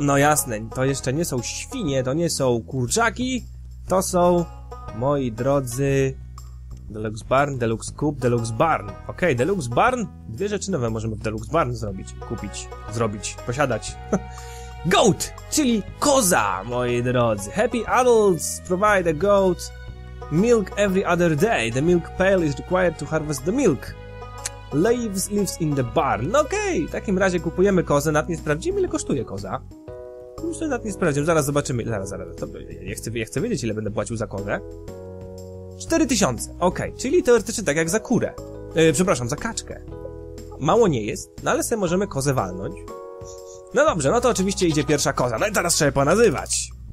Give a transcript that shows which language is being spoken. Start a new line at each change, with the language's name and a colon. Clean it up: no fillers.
Polish: No jasne, to jeszcze nie są świnie, to nie są kurczaki. To są, moi drodzy... Deluxe Barn, Deluxe Coop, Deluxe Barn. Okej, Deluxe Barn. Dwie rzeczy nowe możemy w Deluxe Barn zrobić. Kupić, zrobić, posiadać. Goat, czyli koza, moi drodzy.
English: Happy adults provide a goat milk every other day. The milk pail is required to harvest the milk. Leaves in the barn.
Polish: Okej, w takim razie kupujemy kozę. Nawet nie sprawdzimy, ile kosztuje koza. Myślę, nawet nie sprawdzimy. Zaraz zobaczymy. Zaraz. To, ja chcę wiedzieć, ile będę płacił za kozę. 4000, okej, czyli teoretycznie tak jak za kurę. Przepraszam, za kaczkę. Mało nie jest, no ale sobie możemy kozę walnąć. No dobrze, no to oczywiście idzie pierwsza koza, no i teraz trzeba je ponazywać.